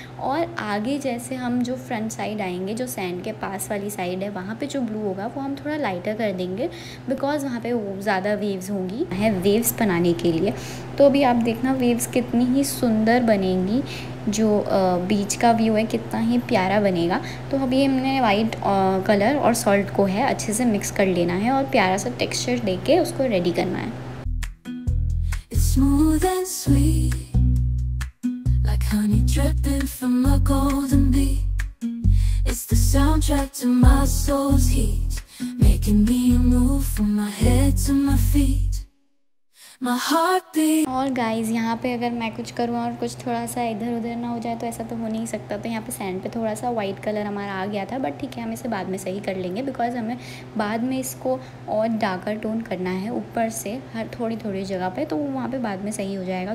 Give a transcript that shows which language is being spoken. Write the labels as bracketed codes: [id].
[hi] और आगे जैसे हम जो फ्रंट साइड आएंगे, जो सैंड के पास वाली साइड है, वहाँ पे जो ब्लू होगा वो हम थोड़ा लाइटर कर देंगे, बिकॉज़ वहाँ पे ज़्यादा वेव्स होंगी है वेव्स बनाने के लिए। तो अभी आप देखना वेव्स कितनी ही सुंदर बनेंगी, जो बीच का व्यू है कितना ही प्यारा बनेगा। तो अभी हमने वाइट कलर और सॉल्ट को है अच्छे से मिक्स कर लेना है, और प्यारा सा टेक्सचर दे के उसको रेडी करना है। [en] Smooth and sweet, like honey dripping from a golden bee. It's the soundtrack to my soul's heat, making me move from my head to my feet. [hi] और गाइज, यहाँ पे अगर मैं कुछ करूँ और कुछ थोड़ा सा इधर उधर ना हो जाए तो ऐसा तो हो नहीं सकता। तो यहाँ पे सैंड पे थोड़ा सा वाइट कलर हमारा आ गया था, बट ठीक है, हम इसे बाद में सही कर लेंगे, बिकॉज हमें बाद में इसको और डार्कर टोन करना है ऊपर से हर थोड़ी थोड़ी जगह पे, तो वहाँ पे बाद में सही हो जाएगा।